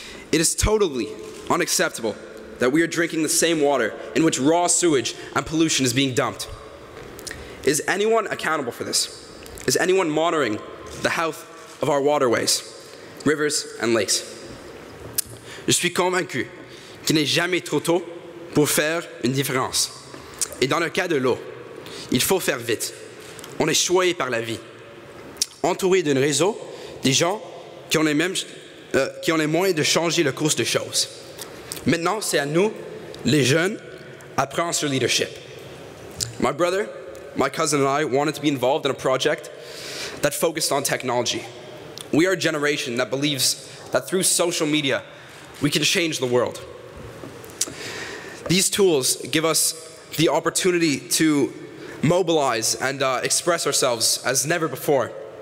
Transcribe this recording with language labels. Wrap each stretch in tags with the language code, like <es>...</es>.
<en>It is totally unacceptable that we are drinking the same water in which raw sewage and pollution is being dumped. Is anyone accountable for this? Is anyone monitoring the health of our waterways, rivers, and lakes?</en> <fr>Je suis convaincu qu'il n'est jamais trop tôt pour faire une différence. Et dans le cas de l'eau, il faut faire vite. On est choyé par la vie, entouré d'un réseau des gens qui ont les moyens de changer le cours des choses. Maintenant, c'est à nous, les jeunes, à prendre ce leadership.</fr> <en>My brother, my cousin and I wanted to be involved in a project that focused on technology. We are a generation that believes that through social media, we can change the world. These tools give us the opportunity to mobilize and express ourselves as never before.</en>